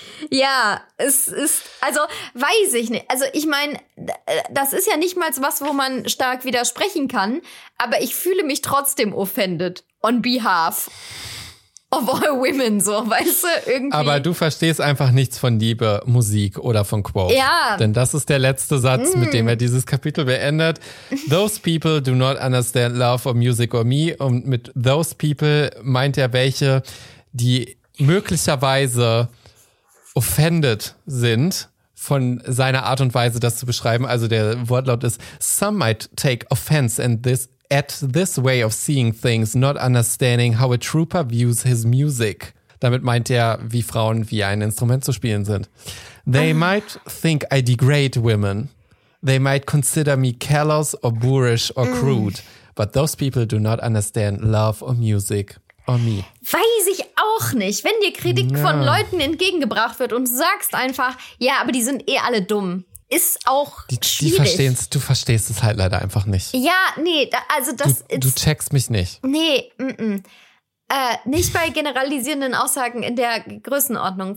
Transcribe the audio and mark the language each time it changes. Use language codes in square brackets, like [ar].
[de] Ja, es ist, also weiß ich nicht. Also ich meine, das ist ja nicht mal was, wo man stark widersprechen kann. Aber ich fühle mich trotzdem offended on behalf of all women. So, weißt du, irgendwie. Aber du verstehst einfach nichts von Liebe, Musik oder von Quoth. Ja. Denn das ist der letzte Satz, mit dem er dieses Kapitel beendet. [en] Those people do not understand love or music or me. [de] Und mit [en] those people [de] meint er welche, die möglicherweise offended sind von seiner Art und Weise, das zu beschreiben. Also der Wortlaut ist, [en] some might take offense at this way of seeing things, not understanding how a trooper views his music. [de] Damit meint er, wie Frauen wie ein Instrument zu spielen sind. [en] They might think I degrade women. They might consider me callous or boorish or crude. But those people do not understand love or music. Me. [de] Weiß ich auch nicht. Wenn dir Kritik von Leuten entgegengebracht wird und du sagst einfach, ja, aber die sind eh alle dumm, ist auch schwierig. Du verstehst es halt leider einfach nicht. Ja, nee, also das ist... Du checkst mich nicht. Nee, nicht bei generalisierenden Aussagen in der Größenordnung.